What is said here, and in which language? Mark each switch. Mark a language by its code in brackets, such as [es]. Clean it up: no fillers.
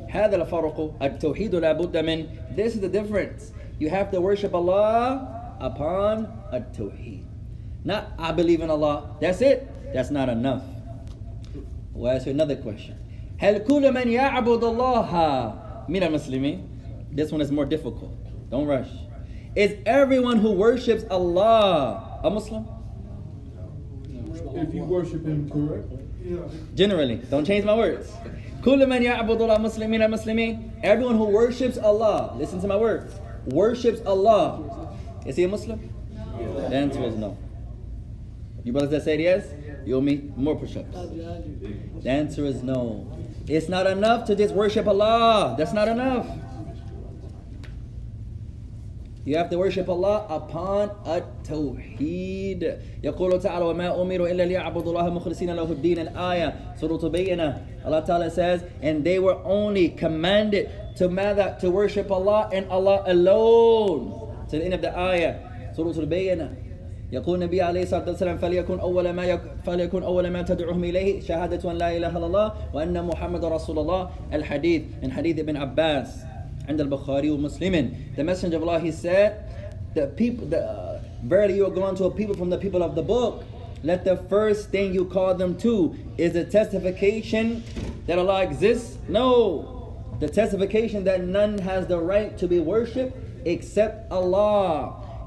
[ar] هذا الفرق التوحيد لا بد من. [en] This is the difference. You have to worship Allah upon a tawheed. Not, I believe in Allah. That's it. That's not enough. We'll ask you another question. [ar] هل كل من يعبد الله من المسلمين? [en] This one is more difficult. Don't rush. Is everyone who worships Allah a Muslim? If you worship him correctly. Generally, don't change my words. [ar] كل من يعبد الله مسلمين المسلمين. [en] Everyone who worships Allah, listen to my words, worships Allah. Is he a Muslim? No. The answer is no. You brothers that said yes, you owe me more push-ups. The answer is no. It's not enough to just worship Allah. That's not enough. You have to worship Allah upon a tawheed. [ar] يقول تعالى وما أمروا إلا ليعبدوا الله مخلصين له الدين الآية سورة تبينة. [en] Allah Ta'ala says, and they were only commanded to worship Allah and Allah alone. To the end of the ayah, [ar] سورة تبينة. يقول النبي عليه الصلاة والسلام فليكن أول ما تدعوهم إليه شهادة أن لا إله إلا الله وأن محمد رسول الله الحديث من حديث ابن عباس عند البخاري ومسلم. [en] The messenger of Allah, he said, verily you are going to a people from the people of the book. Let the first thing you call them to is a testification that Allah exists. No, the testification that none has the right to be worshipped except Allah.